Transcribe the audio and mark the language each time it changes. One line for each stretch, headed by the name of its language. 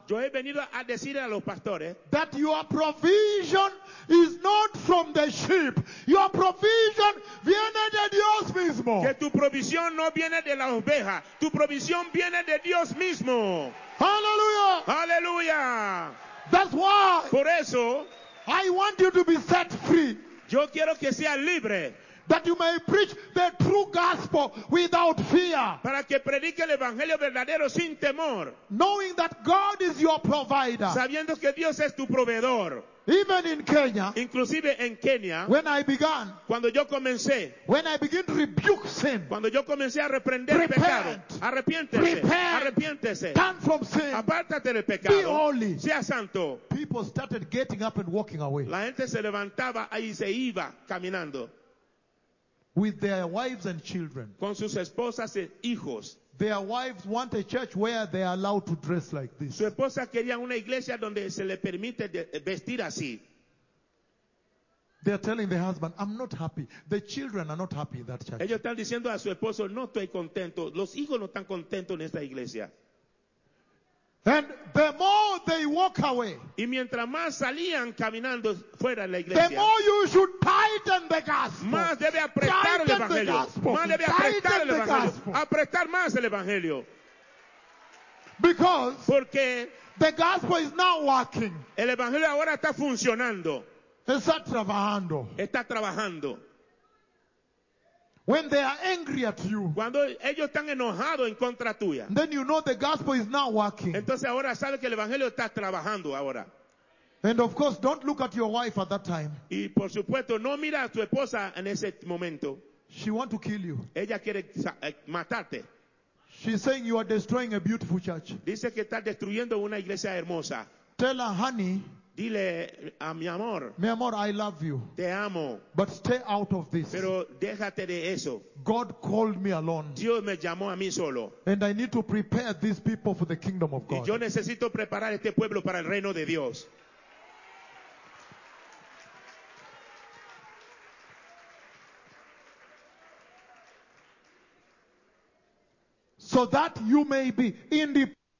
Spanish: Yo he venido a decir a los pastores.
English: That your provision is not from the sheep.
Spanish: Your provision viene de Dios mismo. Que tu provisión no viene de la oveja. Tu provisión viene de Dios mismo.
English: Hallelujah. Hallelujah. That's why.
Spanish: Por eso.
English: I want you to be set free.
Spanish: Yo quiero que sea libre.
English: That you may preach the true gospel without fear.
Spanish: Para que predique el evangelio verdadero sin temor.
English: Knowing that God is your provider.
Spanish: Sabiendo que Dios es tu proveedor.
English: Even in Kenya.
Spanish: Inclusive en Kenya.
English: When I began.
Spanish: Cuando yo comencé.
English: When I begin to rebuke sin.
Spanish: Cuando yo comencé a reprender el pecado. Arrepiéntese.
English: Prepare.
Spanish: Arrepiéntese.
English: Turn from sin.
Spanish: Apártate del pecado.
English: Be holy.
Spanish: Sea santo.
English: People started getting up and walking away.
Spanish: La gente se levantaba y se iba caminando.
English: With their wives and children.
Spanish: Con sus esposas e hijos.
English: Their wives want a church where they are allowed to dress like this.
Spanish: Su esposa quería una iglesia donde se le permite vestir así.
English: They are telling the husband, I'm not happy. The children are not happy in that church.
Spanish: Ellos están diciendo a su esposo, no estoy contento. Los hijos no están contentos en esta iglesia.
English: And the more they walk away,
Spanish: y mientras más salían caminando fuera de la iglesia,
English: the more you should tighten the gospel.
Spanish: Más debe apretar
English: tighten
Spanish: el evangelio. Más debe apretar el evangelio. Apretar más el evangelio.
English: Because
Spanish: porque
English: the gospel is not working.
Spanish: El evangelio ahora está funcionando. Está trabajando. Está trabajando.
English: When they are angry at you.
Spanish: Cuando ellos están enojados en contra tuya.
English: Then you know the gospel is not working.
Spanish: Entonces ahora sabes que el evangelio está trabajando ahora.
English: And of course, don't look at your wife at that time.
Spanish: Y por supuesto, no mira a tu esposa en ese momento.
English: She want to kill you.
Spanish: Ella quiere matarte.
English: She's saying you are destroying a beautiful church.
Spanish: Dice que está destruyendo una iglesia hermosa.
English: Tell her, honey.
Spanish: Dile a mi amor.
English: Mi amor, I love you.
Spanish: Te amo.
English: But stay out of this.
Spanish: Pero déjate de eso.
English: God called me alone.
Spanish: Dios me llamó a mí solo.
English: And I need to prepare these people for the kingdom of God.
Spanish: Y yo necesito preparar este pueblo para el reino de Dios.
English: So that you may be independent.